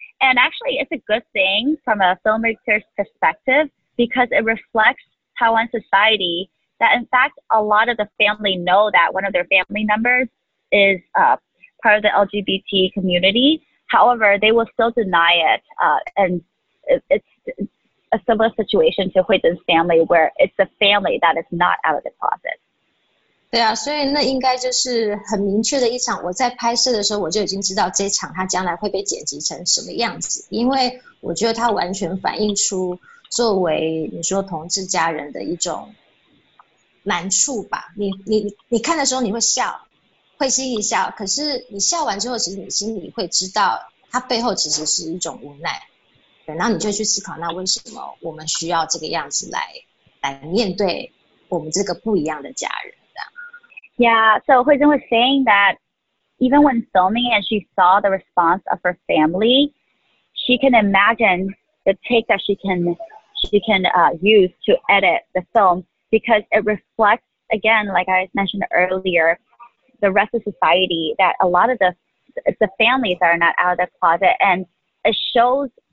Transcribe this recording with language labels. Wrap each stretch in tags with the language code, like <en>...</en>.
<en>And actually, it's a good thing from a filmmaker's perspective because it reflects Taiwan society that in fact, a lot of the family know that one of their family members is part of the LGBT community. However, they will still deny it. And it's a similar situation to Hoijin's family, where it's the family that is not out of the closet.</en> <zh>对啊，所以那应该就是很明确的一场。我在拍摄的时候，我就已经知道这场它将来会被剪辑成什么样子，因为我觉得它完全反映出作为你说同志家人的一种难处吧。你看的时候你会笑，会心一笑，可是你笑完之后，其实你心里会知道它背后其实是一种无奈。然后你就去思考，那为什么我们需要这个样子来面对我们这个不一样的家人？这样。</zh> <en>Yeah, so Hoijin was saying that even when filming and she saw the response of her family, she can imagine the take that she can use to edit the film because it reflects again, like I mentioned earlier, the rest of society that a lot of the families are not out of the closet and it shows</en>